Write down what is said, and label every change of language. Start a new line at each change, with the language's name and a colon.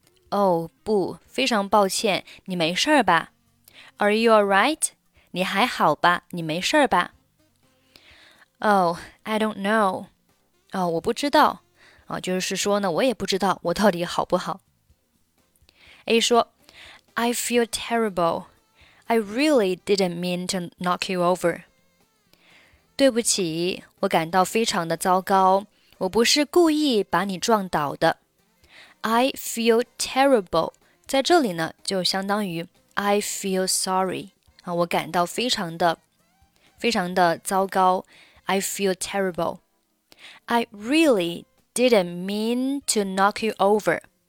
Chinese: Oh, 不，非常抱歉，你没事吧？
English: Are you alright?
Chinese: 你还好吧？你没事吧？
English: Oh, I don't know.
Chinese: 哦，我不知道。哦，就是说呢，我也不知道我到底好不好。
English: A 说 I feel terrible. I really didn't mean to knock you over.
Chinese: 对不起，我感到非常的糟糕。我不是故意把你撞倒的。
English: I feel terrible.
Chinese: 在这里呢，就相当于
English: I feel sorry.
Chinese: 哦，我感到非常的，非常的糟糕。
English: I feel terrible. I really didn't mean to knock you over.